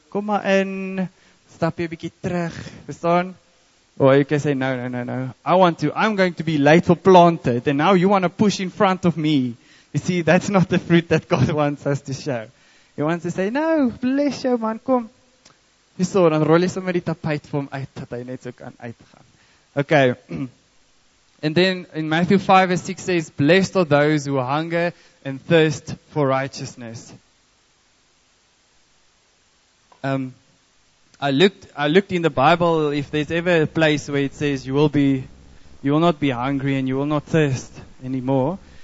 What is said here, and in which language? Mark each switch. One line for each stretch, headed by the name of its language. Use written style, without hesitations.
Afrikaans: Kom maar in. Stap je bietjie terug. Verstaan?
English: Or you can say, no. I'm going to be late for planted. And now you want to push in front of me. You see, that's not the fruit that God wants us to show. He wants to say, no, bless you, man.
Afrikaans: Kom. Jy sê, dan rol jy sommer die tapijt vir hom uit, dat hy net so kan uitgaan.
English: Okay. And then in Matthew 5 verse 6 says, blessed are those who hunger and thirst for righteousness. I looked in the Bible if there's ever a place where it says you will not be hungry and you will not thirst anymore.